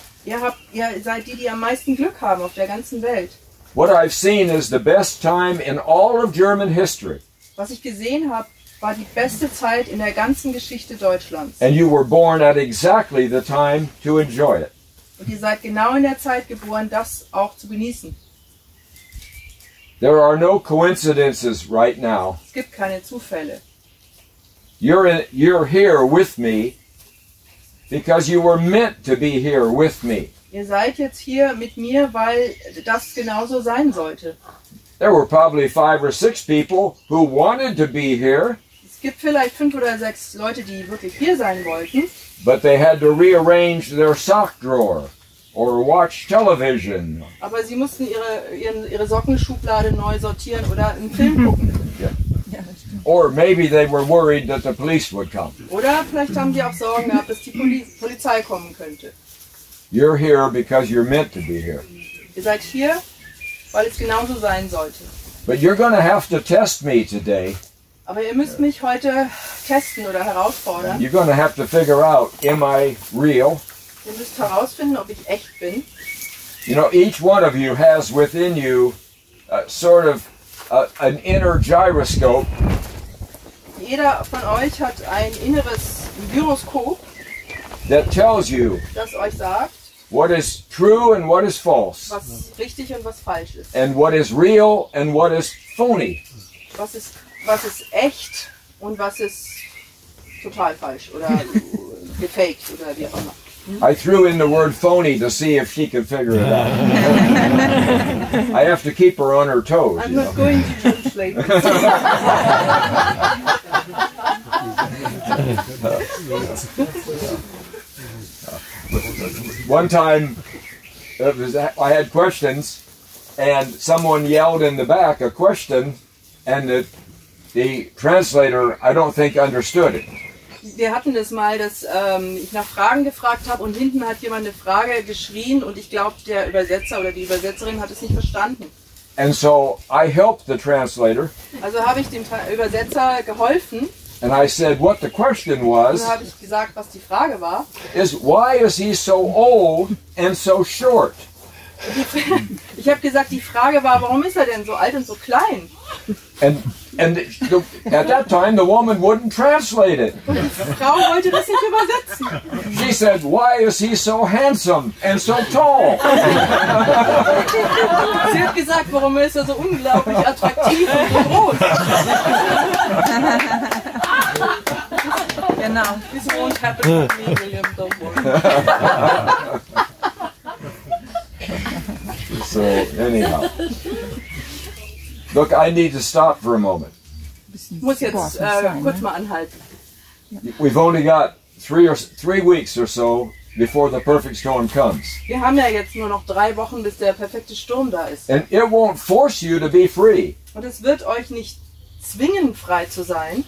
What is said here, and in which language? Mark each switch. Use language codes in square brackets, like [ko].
[de] Ihr seid die am meisten Glück haben auf der ganzen Welt. [en] What I've seen is the best time in all of German history. [de] Was ich gesehen habe, war die beste Zeit in der ganzen Geschichte Deutschlands. [en] And you were born at exactly the time to enjoy it. [de] Und ihr seid genau in der Zeit geboren, das auch zu genießen. [en] There are no coincidences right now. [de] Es gibt keine Zufälle. [en] You're here with me because you were meant to be here with me. [de] Ihr seid jetzt hier mit mir, weil das genauso sein sollte. [en] There were probably 5 or 6 people who wanted to be here. [de] Es gibt vielleicht 5 oder 6 Leute, die wirklich hier sein wollten. [en] But they had to rearrange their sock drawer. Or watch television. [de] Aber sie mussten ihre Sockenschublade neu sortieren oder einen Film gucken. [en] Or maybe they were worried that the police would come. [de] Oder vielleicht haben sie auch Sorgen gehabt, dass die Polizei kommen könnte. [en] You're here because you're meant to be here. [de] Ihr seid hier, weil es genauso sein sollte. [en] But you're gonna have to test me today. [de] Aber ihr müsst mich heute testen oder herausfordern. [en] You're gonna have to figure out, am I real? [de] Ihr müsst herausfinden, ob ich echt bin. [en] You know, each one of you has within you an inner gyroscope. [de] Jeder von euch hat ein inneres Gyroskop. [en] That tells you. [de] Das euch sagt. [en] What is true and what is false. [de] Was richtig und was falsch ist. [en] And what is real and what is phony. [de] Was ist echt und was ist total falsch oder gefaked oder wie auch immer. [en] I threw in the word phony to see if she could figure it out. I have to keep her on her toes. I'm not going to translate. One time, I had questions, and someone yelled in the back a question, and the translator, I don't think, understood it. [de] Wir hatten das mal, dass ich nach Fragen gefragt habe und hinten hat jemand eine Frage geschrien und ich glaube, der Übersetzer oder die Übersetzerin hat es nicht verstanden. [en] And so I helped the translator. [de] Also habe ich dem Übersetzer geholfen. [en] And I said what the question was. [de] Und habe ich gesagt, was die Frage war. [en] Is why is he so old and so short? [de] Ich habe gesagt, die Frage war, warum ist er denn so alt und so klein? [en] And at that time the woman wouldn't translate it. [de] Die Frau wollte das nicht übersetzen. [en] She said, why is he so handsome and so tall? [de] Sie hat gesagt, warum ist er so unglaublich attraktiv und so groß? Genau. [en] This won't happen to me, William, don't worry. So, anyhow. Look, I need to stop for a moment. [de] Muss jetzt kurz mal anhalten. [en] We've only got 3 weeks or so before the perfect storm comes. [de] Wir haben ja jetzt nur noch 3 Wochen, bis der perfekte Sturm da ist. [en] And it won't force you to be free. [de] Und es wird euch nicht zwingen, frei zu sein.